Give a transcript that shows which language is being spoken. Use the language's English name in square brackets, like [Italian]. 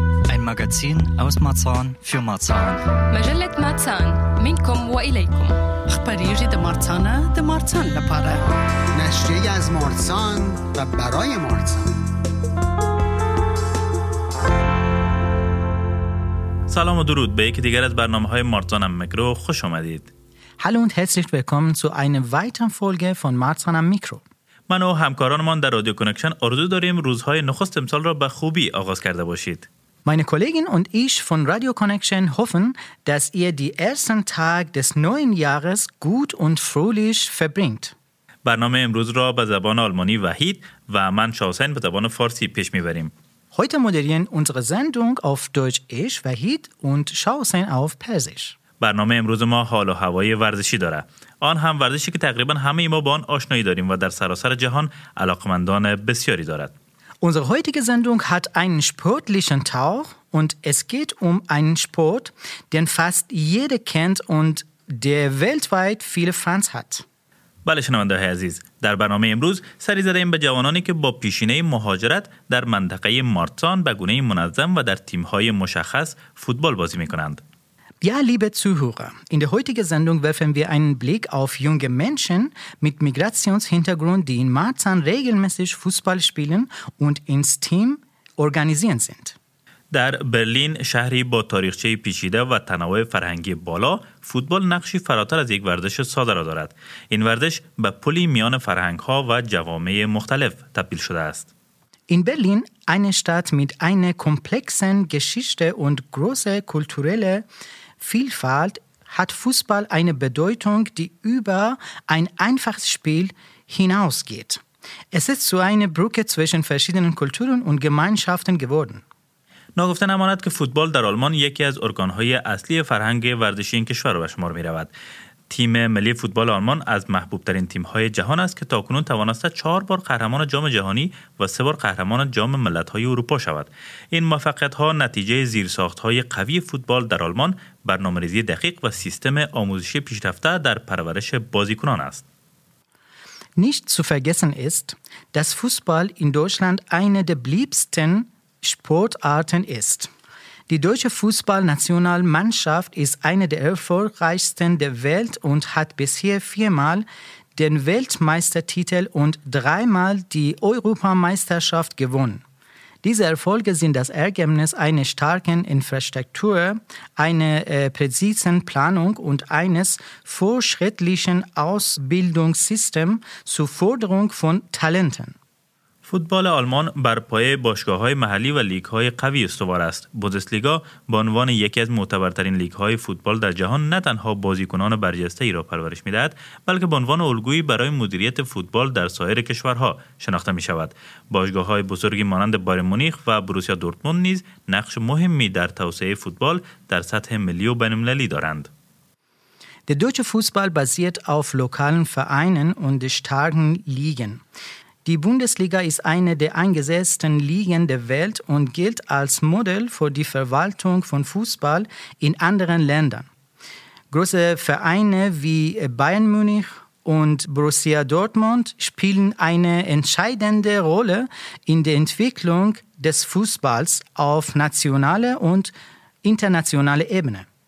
[German] Ein Magazin aus Marzahn für Marzahn. [Arabic] مجلة Marzahn. منكم وإليكم. [Pashto] أخباريجي ده مارتانا ده مارتان لپاره. [Persian] نشریه از مارتان و برای مارتان. سلام و درود به یکی دیگر از برنامه‌های مارتان ام میکرو خوش آمدید. [German] Hallo und herzlich willkommen zu einer weiteren Folge von Marzahn am Mikro. [Persian] من و همکارانمان در رادیو کنکشن آرزو داریم روزهای نخست امسال را به خوبی آغاز کرده باشید. [German] Meine Kollegin und ich von Radio Connection hoffen, dass ihr die ersten Tage des neuen Jahres gut und fröhlich verbringt. [Persian] برنامه امروز را به زبان آلمانی وحید و من شاوسن به زبان فارسی پیش می‌بریم. [German] Heute moderieren unsere Sendung auf Deutsch ich, Wahid und Shausen auf Persisch. [Persian] برنامه امروز ما حال و هوای ورزشی داره. آن هم ورزشی که تقریبا همه ما با آن آشنایی داریم و در سراسر جهان علاقمندان بسیاری دارد. [German] Unsere heutige Sendung hat einen sportlichen Tauch und es geht einen Sport, den fast jeder kennt und der weltweit viele Fans hat. [Persian] بله شنونده عزیز، در برنامه امروز سری زدیم به جوانانی که با پیشینه مهاجرت در منطقه مارتان به گونه منظم و در تیم‌های مشخص فوتبال بازی می‌کنند. [German] Ja, liebe Zuhörer, in der heutigen Sendung werfen wir einen Blick auf junge Menschen mit Migrationshintergrund, die in Marzahn regelmäßig Fußball spielen und ins Team organisieren sind. [Persian] در برلین، شهری با تاریخچه پیچیده و تنوع فرهنگی بالا، فوتبال نقشی فراتر از یک ورزش ساده را دارد. این ورزش به پلی میان فرهنگ‌ها و جوامع مختلف تبدیل شده است. [German] In Berlin, eine Stadt mit einer komplexen Geschichte und großer kultureller Vielfalt, hat Fußball eine Bedeutung, die über ein einfaches Spiel hinausgeht. Es ist so eine Brücke zwischen verschiedenen Kulturen und Gemeinschaften geworden. [Persian] نگفته نماند که فوتبال در آلمان یکی از ارگان‌های اصلی فرهنگ ورزشی این کشور به شمار می‌رود. تیم ملی فوتبال آلمان از محبوب‌ترین تیم‌های جهان است که تاکنون توانسته 4 بار قهرمان جام جهانی و 3 بار قهرمان جام ملت‌های اروپا شود. این موفقیت‌ها نتیجه زیرساخت‌های قوی فوتبال در آلمان، برنامه‌ریزی دقیق و سیستم آموزشی پیشرفته در پرورش بازیکنان است. [German] Nicht zu vergessen ist, dass Fußball in Deutschland eine der beliebtesten Sportarten ist. Die deutsche Fußballnationalmannschaft ist eine der erfolgreichsten der Welt und hat bisher 4-mal den Weltmeistertitel und 3-mal die Europameisterschaft gewonnen. Diese Erfolge sind das Ergebnis einer starken Infrastruktur, einer präzisen Planung und eines fortschrittlichen Ausbildungssystems zur Förderung von Talenten. [Persian] فوتبال آلمان بر پایه باشگاه‌های محلی و لیگ‌های قوی استوار است. بوندسلیگا با عنوان یکی از معتبرترین لیگ‌های فوتبال در جهان نه تنها بازیکنان برجسته‌ای را پرورش می‌دهد، بلکه با عنوان الگویی برای مدیریت فوتبال در سایر کشورها شناخته می‌شود. باشگاه‌های بزرگی مانند بایرن مونیخ و بروسیا دورتموند نیز نقش مهمی در توسعه فوتبال در سطح ملی و بین‌المللی دارند. [German] Der deutsche Fußball basiert auf lokalen Vereinen und starken Ligen. Die Bundesliga ist eine der angesehensten Ligen der Welt und gilt als Modell für die Verwaltung von Fußball in anderen Ländern. Große Vereine wie Bayern Munich und Borussia Dortmund spielen eine entscheidende Rolle in der Entwicklung des Fußballs auf nationaler und internationaler Ebene.